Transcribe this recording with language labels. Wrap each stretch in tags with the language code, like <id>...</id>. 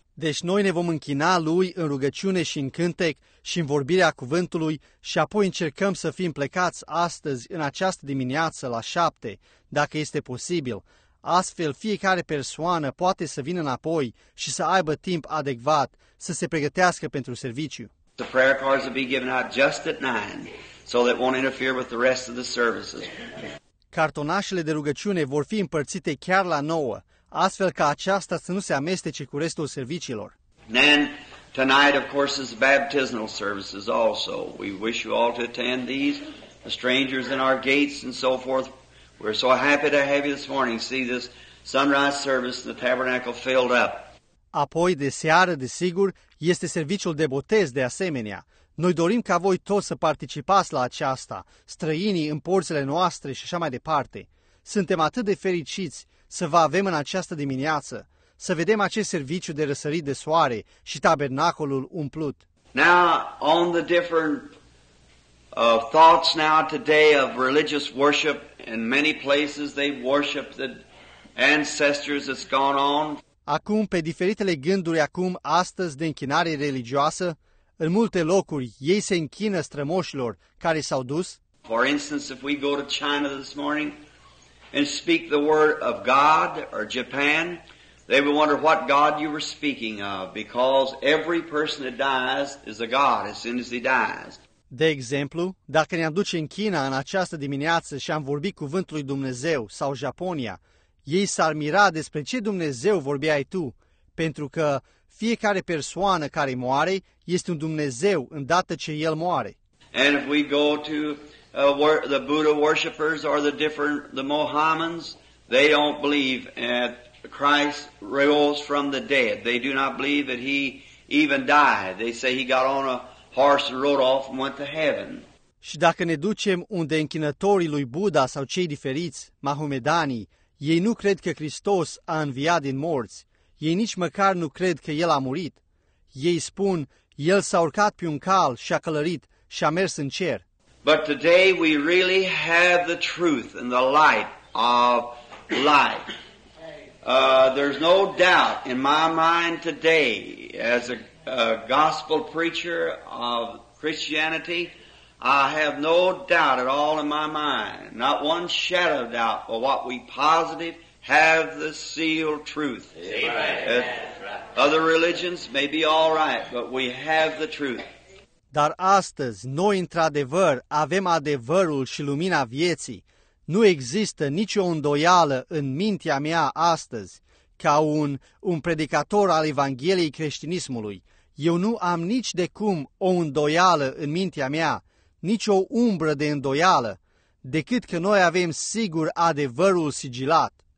<ro>Deci noi ne vom închina lui în rugăciune și în cântec și în vorbirea cuvântului și apoi încercăm să fim plecați astăzi în această dimineață la 7, dacă este posibil. Astfel fiecare persoană poate să vină înapoi și să aibă timp adecvat să se pregătească pentru serviciu.</ro> <en>The prayer cards will be given out just at 9. So that won't interfere with the rest of the services.</en> <ro>Cartonașele de rugăciune vor fi împărțite chiar la 9, astfel ca aceasta să nu se amestece cu restul serviciilor.</ro> <en>Then tonight, of course, is baptismal services also. We wish you all to attend these. The strangers in our gates and so forth. We're so happy to have you this morning. See this sunrise service in the tabernacle filled up.</en> <ro>Apoi de seară, desigur, este serviciul de botez de asemenea. Noi dorim ca voi toți să participați la aceasta, străinii în porțile noastre și așa mai departe. Suntem atât de fericiți să vă avem în această dimineață, să vedem acest serviciu de răsărit de soare și tabernacolul umplut.</ro> <en>Now, on the different thoughts now today of religious worship, in many places they worship the ancestors that's gone on.</en> <ro>Acum, pe diferitele gânduri acum, astăzi, de închinare religioasă, în multe locuri, ei se închină strămoșilor care s-au dus.</ro> <en>For instance, if we go to China this morning and speak the word of God, or Japan, They would wonder what God you were speaking of, because every person that dies is a god as soon as he dies.</en> <ro>De exemplu, dacă ne-am duce în China în această dimineață și am vorbit cuvântul lui Dumnezeu sau Japonia, ei s-ar mira despre ce Dumnezeu vorbeai tu, pentru că fiecare persoană care moare este un Dumnezeu îndată ce el moare.</ro> <en>And if we go to the Buddha worshippers or the Mohammedans, they don't believe that Christ rose from the dead. They do not believe that he even died. They say he got on a horse and rode off and went to heaven.</en> <ro>Și dacă ne ducem unde închinătorii lui Buddha sau cei diferiți, mahomedanii, ei nu cred că Hristos a înviat din morți. Ei nici măcar nu cred că el a murit. Ei spun, el s-a urcat pe un cal și a călărit și a mers în cer.</ro> <en>But today we really have the truth and the light of life. There's no doubt in my mind today, as a gospel preacher of Christianity, I have no doubt at all in my mind, not one shadow of doubt, but what we positive have the sealed truth. Amen. Other religions may be all right, but we have the truth.</en> <ro>Dar astăzi, noi într-adevăr avem adevărul și lumina vieții. Nu există nicio îndoială în mintea mea astăzi, ca un predicator al Evangheliei creștinismului. Eu nu am nici de cum o îndoială în mintea mea, nici o umbră de îndoială, decât că noi avem sigur adevărul sigilat.</ro>